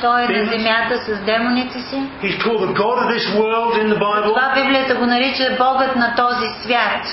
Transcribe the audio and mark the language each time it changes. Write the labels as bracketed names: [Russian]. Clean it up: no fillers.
[Bulgarian] Той е на земята с демоните си. [English] He's called the God of this world in the Bible. [Bulgarian] Това Библията го нарича Богът на този свят.